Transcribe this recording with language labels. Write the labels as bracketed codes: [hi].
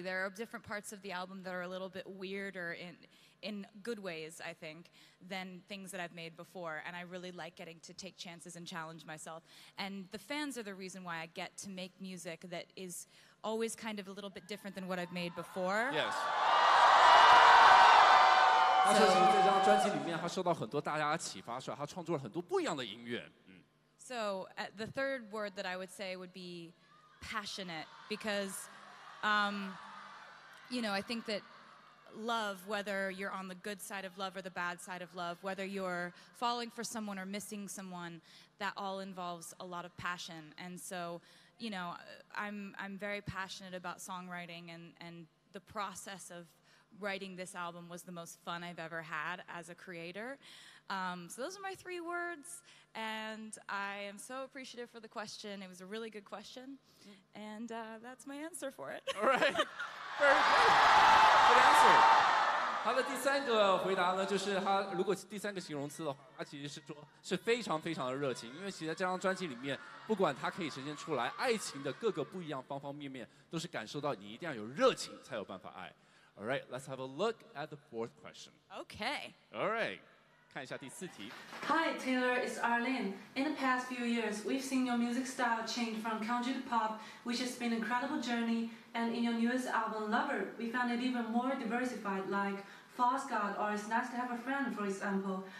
[en] There are different parts of the album that are a little bit weirder in good ways, I think, than things that I've made before. And I really like getting to take chances and challenge myself. And the fans are the reason why I get to make music that is always kind of a little bit different than what I've made before. Yes. [zh] 他说其实这张专辑里面他受到很多大家的启发，所以他创作了很多不一样的音乐。 [en] So, the third word that I would say would be passionate, because... you know, I think that love, whether you're on the good side of love or the bad side of love, whether you're falling for someone or missing someone, that all involves a lot of passion. And so, you know, I'm very passionate about songwriting, and the process of writing this album was the most fun I've ever had as a creator. So those are my three words, and I am so appreciative for the question. It was a really good question, and that's my answer for it. All right, very good. Good answer. [zh] 他的第三个回答呢，就是他如果第三个形容词的话，他其实是说是非常非常的热情，因为其实在这张专辑里面，不管他可以呈现出来爱情的各个不一样方方面面，都是感受到你一定要有热情才有办法爱。 [en] All right, let's have a look at the fourth question. Okay. All right. [zh] 看一下第四题。 [en] Hi, Taylor, it's Arlene. In the past few years, we've seen your music style change from country to pop, which has been an incredible journey, and in your newest album, Lover, we found it even more diversified, like False God or It's Nice to Have a Friend, for example.